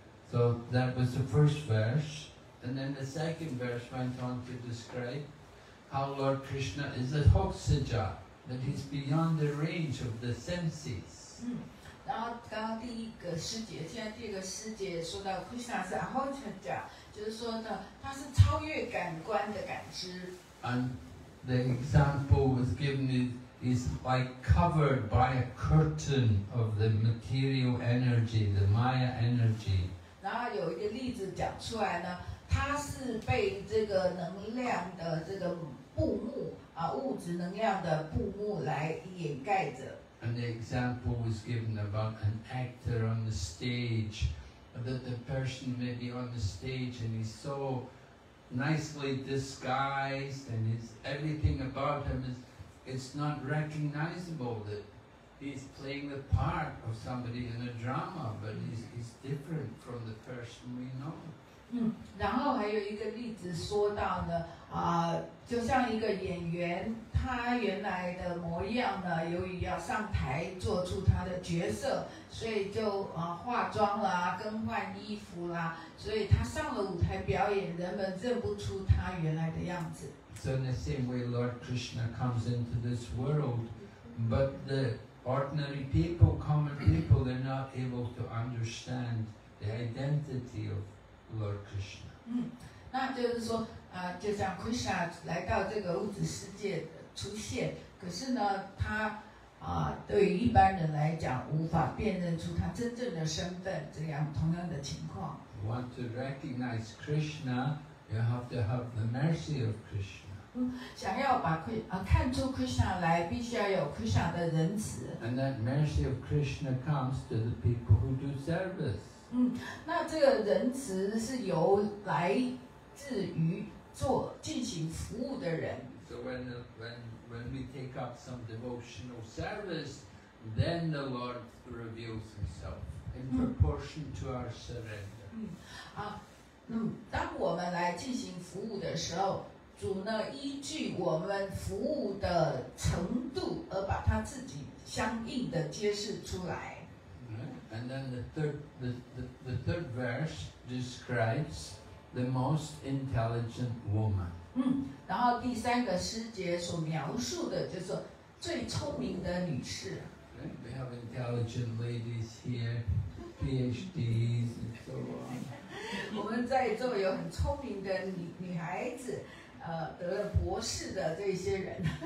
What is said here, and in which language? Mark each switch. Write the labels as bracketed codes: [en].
[en] So that was the first verse, and then the second verse went on to describe how Lord Krishna is a Hoksaja, that he's beyond the range of the senses. [zh] 然后刚刚第一个师姐，现在第二个师姐说到 Krishna 是 Ahojaja， 就是说呢，它是超越感官的感知。 [en] And the example was given is like covered by a curtain of the material energy, the Maya energy. [zh] 然后有一个例子讲出来呢，它是被这个能量的这个布幕啊，物质能量的布幕来掩盖着。 [en] And the example was given about an actor on the stage, that the person may be on the stage and he's so nicely disguised and his, everything about him is it's not recognizable that he's playing the part of somebody in a drama, but he's different from the person we know. [zh] 嗯，然后还有一个例子说到呢，就像一个演员，他原来的模样呢，由于要上台做出他的角色，所以就化妆啦，更换衣服啦，所以他上了舞台表演，人们认不出他原来的样子。 [en] So in the same way, Lord Krishna comes into this world, but the ordinary people, common people, they're not able to understand the identity of. Lord Krishna. [zh] 嗯，那就是说，就像 Krishna 来到这个物质世界出现，可是呢，他对于一般人来讲，无法辨认出他真正的身份，这样同样的情况。 [en] You want to recognize Krishna, you have to have the mercy of Krishna. [zh] 嗯，想要把看出 Krishna 来，必须要有 Krishna 的仁慈。 [en] And that mercy of Krishna comes to the people who do service. [zh] 嗯，那这个仁慈是由来自于做进行服务的人。 [en] So when we take up some devotional service, then the Lord reveals Himself in proportion to our surrender. [zh] 当我们来进行服务的时候，主呢依据我们服务的程度而把他自己相应的揭示出来。 [en] And then the third verse describes the most intelligent woman. [zh] 嗯，然后第三个诗节所描述的就是最聪明的女士。 [en] We have intelligent ladies here, PhDs and so on. [zh] 我们在座有很聪明的女孩子，得了博士的这些人。